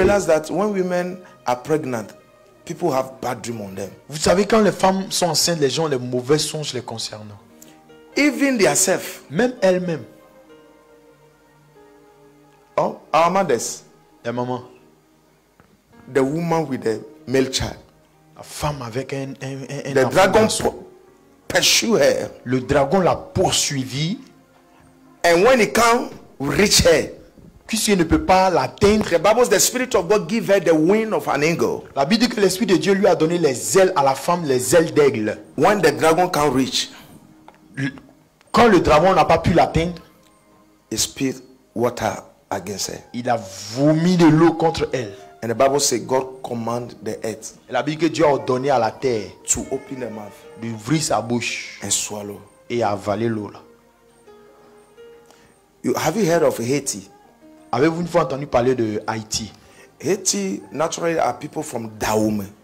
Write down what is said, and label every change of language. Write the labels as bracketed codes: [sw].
[en] Have you realized that when women are pregnant, people have bad dreams on them? [fr] Vous savez quand les femmes sont enceintes, les gens ont les mauvais songes les concernant. [en] Even theirself, [fr] même elles-mêmes. [en] Oh, our mothers. [fr] Les mamans. [en] The woman with the male child. [fr] La femme avec un [en] the dragon pursue her. [fr] Le dragon l'a poursuivi. [en] And when he come, reach her. [fr] Puisqu'il ne peut pas l'atteindre. [en] The Bible says the spirit of God give her the wing of an eagle. [fr] La Bible dit que l'esprit de Dieu lui a donné les ailes à la femme, les ailes d'aigle. [en] When the dragon can't reach, [fr] quand le dragon n'a pas pu l'atteindre, [en] he spit water against her. [fr] Il a vomi de l'eau contre elle. [en] And the Bible says God commanded the earth. [fr] La Bible dit que Dieu a ordonné à la terre [en] to open her mouth, [fr] d'ouvrir sa bouche, [en] and swallow, [fr] et avaler l'eau là. [en] Have you heard of Haiti? [fr] Avez-vous une fois entendu parler de Haïti? [en] Haiti naturally are people from Dahomey.